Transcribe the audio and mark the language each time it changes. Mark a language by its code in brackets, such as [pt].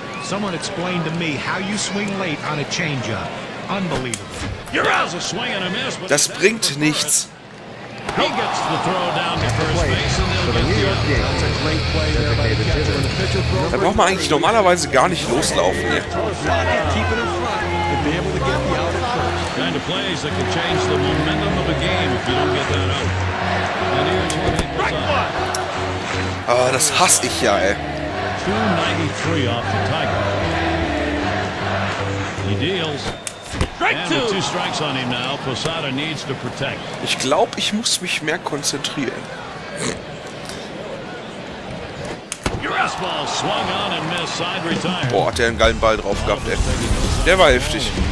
[en] Someone explain to me how you swing late on a changeup. Unbelievable. You're out. A swing and a miss. [de] Das bringt nichts. [en] He gets the throw down to first base and they'll get the out. That's a great play there by the catcher. The pitcher throw. [de] Da braucht man eigentlich normalerweise gar nicht loslaufen hier. [en] Keep it in front to be able to get the out at first. Kind of plays that can change the momentum of a game if you don't get that out. And here's what he puts on. [de] Ah, oh, das hasse ich ja, ey. [en] 293 off the Tiger. He deals. Strike two. Two strikes on him now. Posada needs to protect. [de] Ich glaube, ich muss mich mehr konzentrieren. [en] Ball swung on and missed, side retired. [de] Boah, hat der einen geilen Ball drauf gehabt, ey. Der war heftig.